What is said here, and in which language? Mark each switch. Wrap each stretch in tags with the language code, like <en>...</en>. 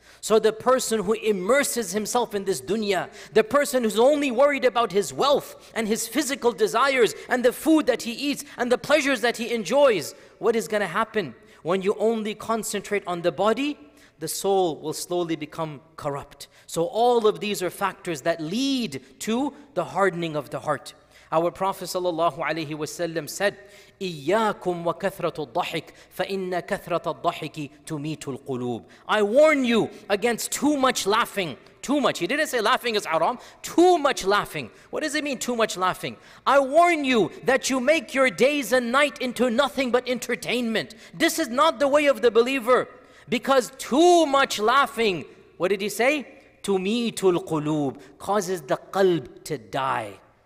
<en>So the person who immerses himself in this dunya, the person who's only worried about his wealth and his physical desires and the food that he eats and the pleasures that he enjoys, what is going to happen? When you only concentrate on the body, the soul will slowly become corrupt. So all of these are factors that lead to the hardening of the heart. Our Prophet sallallahu alaihi wasallam said,</en> <ar>إِيَّاكُمْ وَكَثْرَةُ الضَّحِكِ فَإِنَّ كَثْرَةَ الضَّحِكِ تُمِيتُ الْقُلُوبِ.</ar> <en>I warn you against too much laughing. Too much. He didn't say laughing is haram. Too much laughing. What does it mean, too much laughing? I warn you that you make your days and night into nothing but entertainment. This is not the way of the believer. Because too much laughing, what did he say?</en> <ar>تُمِيتُ الْقُلُوبِ,</ar> <en>causes the qalb to die.</en>